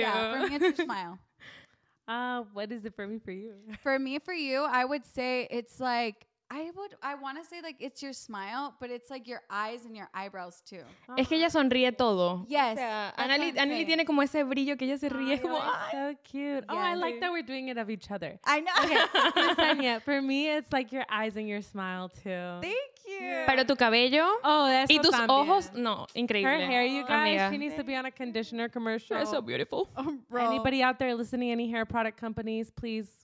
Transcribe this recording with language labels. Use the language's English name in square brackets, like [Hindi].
[English] Yeah, for me, it's your smile. What is it for me, for you? For me, for you, I would say it's like, I want to say like it's your smile, but it's like your eyes and your eyebrows too. [Spanish] Uh-huh. Es que ella sonríe todo. [English] Yes. [Spanish] Yeah, Annalie tiene como ese brillo que ella se ríe. Oh, como, [English] so cute. Yeah. Oh, I like that we're doing it of each other. I know. Okay. Yesenia, for me, it's like your eyes and your smile too. Thank you. Yeah. [Spanish] Pero tu cabello. [English] Oh, that's [Spanish] y tus también. Ojos. No, increíble. [English] Her hair, you guys. Amiga. She needs to be on a conditioner commercial. That's so beautiful. Oh, bro. Anybody out there listening, any hair product companies, please.